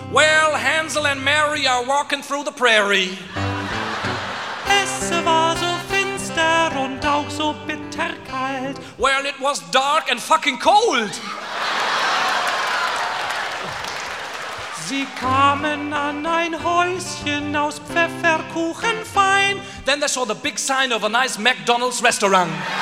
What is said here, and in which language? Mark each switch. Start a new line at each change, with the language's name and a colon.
English: Well, Hänsel and Mary are walking through the prairie.
German: Es war so finster und auch so bitterkalt.
English: Well, it was dark and fucking cold.
German: Sie kamen an ein Häuschen aus Pfefferkuchen fein.
English: Then they saw the big sign of a nice McDonald's restaurant.